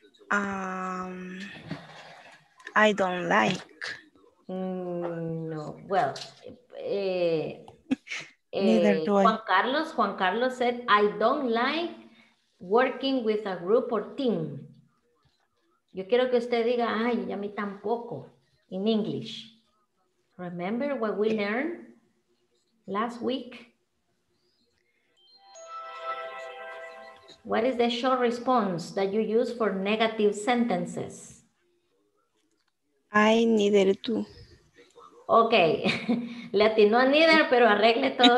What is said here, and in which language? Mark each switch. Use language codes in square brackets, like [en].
[en] I don't like. No, well, neither do Juan I. Carlos, Juan Carlos said, I don't like working with a group or team. [es] Yo quiero que usted diga, ay, y a mí tampoco, [en] in English. Remember what we learned last week? What is the short response that you use for negative sentences? I neither do. [es] Ok, le atinó a neither, pero arregle todo.